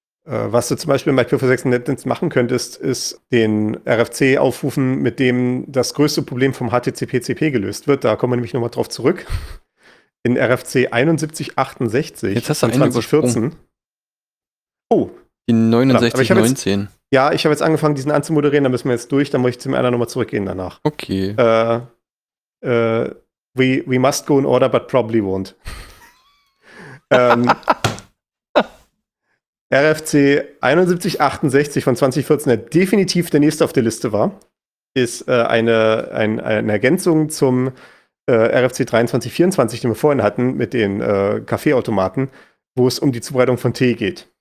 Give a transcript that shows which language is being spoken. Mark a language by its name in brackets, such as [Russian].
[German] Was du zum Beispiel im IPv6-Netz machen könntest, ist den RFC aufrufen, mit dem das größte Problem vom HTTP/CP gelöst wird. Da kommen wir nämlich nochmal drauf zurück. In RFC 7168 jetzt hast du 2014. Oh. In 6919. Ich habe jetzt angefangen, diesen anzumoderieren. Da müssen wir jetzt durch. Da muss ich zum einen nochmal zurückgehen danach. Okay. [English] We must go in order, but probably won't. [German] RFC 7168 von 2014, der definitiv der nächste auf der Liste war, ist eine Ergänzung zum RFC 2324, den wir vorhin hatten, mit den Kaffeeautomaten, wo es um die Zubereitung von Tee geht.